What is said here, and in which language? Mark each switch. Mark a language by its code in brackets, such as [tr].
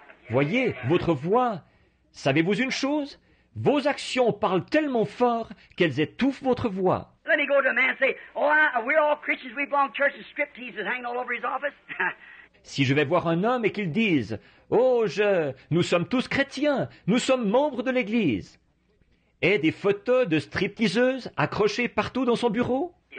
[fr] Voyez, votre voix, savez-vous une chose? Vos actions parlent tellement fort qu'elles étouffent votre voix. [en] Let me go to a man and say, oh, we're all Christians, we belong to church, and stripteases hang all over his office. [fr] Si je vais voir un homme et qu'il dise, « Oh, nous sommes tous chrétiens, nous sommes membres de l'Église. » Et des photos de stripteaseuses accrochées partout dans son bureau?